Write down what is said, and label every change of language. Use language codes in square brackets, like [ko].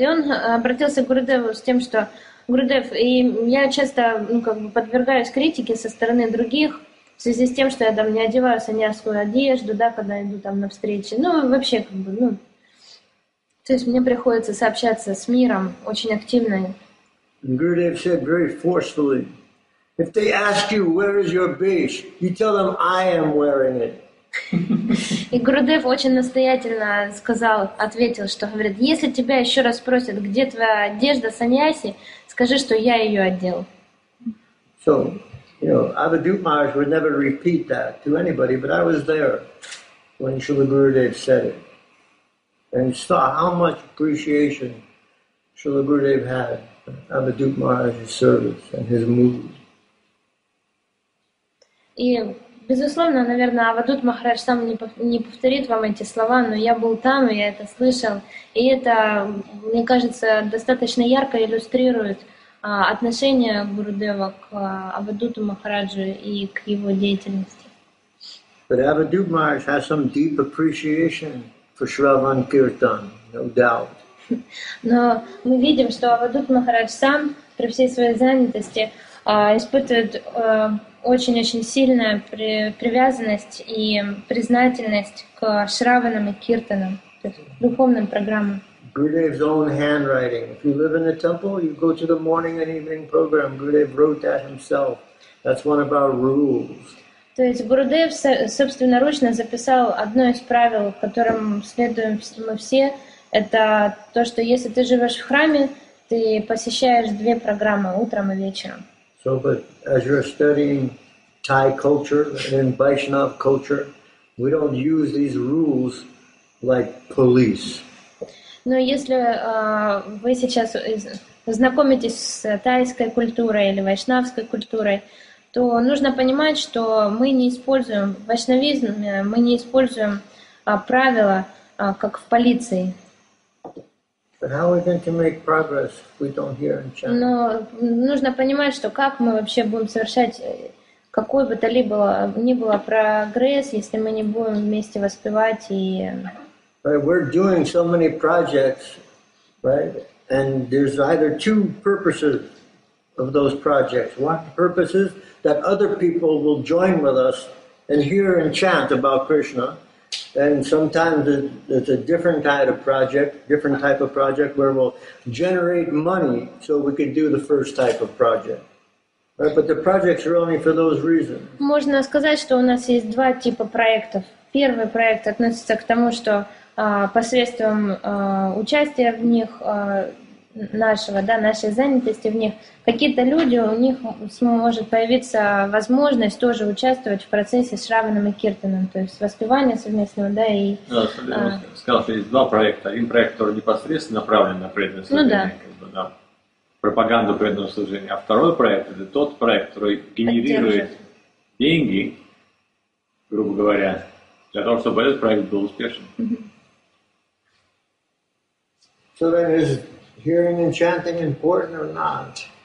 [ru] И он обратился к Гурудеву с тем, что Гурудев, и я часто, ну, как бы подвергаюсь критике со стороны других, в связи с тем, что я там не одеваю саньясскую одежду, да, когда иду там на встречи. Ну, вообще, как бы, ну, то есть мне приходится сообщаться с миром очень активно. [en] And Gurudev said very forcefully, if they ask you where is your beige, you tell them I am wearing [ru] И Гурудев очень настоятельно сказал, ответил, что говорит, если тебя еще раз спросят, где твоя одежда, саньяси, скажи, что я ее одел. [en] So, you know, Avadhut Maharaj would never repeat that to anybody, but I was there when Srila Gurudev said it. And saw how much appreciation Srila Gurudev had of Avadhut Maharaj's service and his mood. [ru] И, безусловно, наверное, Авадут Махарадж сам не повторит вам эти слова, но я был там, и я это слышал. И это, мне кажется, достаточно ярко иллюстрирует отношение Гурудева к Авадуту Махараджу и к его деятельности. [en] But Avadhut Maharaj has some deep appreciation for Shravan Kirtan, no doubt. [ru] Но мы видим, что Авадут Махарадж сам при всей своей занятости испытывает очень-очень сильную привязанность и признательность к Шраванам и Киртанам, то есть духовным программам. [en] Gurudev's own handwriting. If you live in a temple, you go to the morning and evening program. Gurudev wrote that himself. That's one of our rules. [ru] То есть Гурудев собственноручно записал одно из правил, которым следуем мы все. Это то, что если ты живешь в храме, Ты посещаешь две программы утром и вечером. [en] So, but as you're studying Thai culture and Vaishnav culture, we don't use these rules like police. [ru] Но если вы сейчас знакомитесь с тайской культурой или вайшнавской культурой, то нужно понимать, что мы не используем вайшнавизм, мы не используем правила, как в полиции. Но нужно понимать, что как мы вообще будем совершать какой бы то ни было прогресс, если мы не будем вместе воспевать и... [en] Right, we're doing so many projects, right? And there's either two purposes of those projects. One purpose is that other people will join with us and hear and chant about Krishna. And sometimes it's a different type of project where we'll generate money so we can do the first type of project. Right? But the projects are only for those reasons. [ru] Можно сказать, что у нас есть два типа проектов. Первый проект относится к тому, что посредством участия в них, нашего, да, нашей занятости в них, какие-то люди, у них может появиться возможность тоже участвовать в процессе с Шравином и Киртаном, то есть воспевание совместного, да, и... Сказал, что есть два проекта. Один проект, который непосредственно направлен на преданное служение, пропаганду преданного служения. А второй проект — это тот проект, который генерирует деньги, грубо говоря, для того, чтобы этот проект был успешен. [en] So then, is hearing and chanting important or not?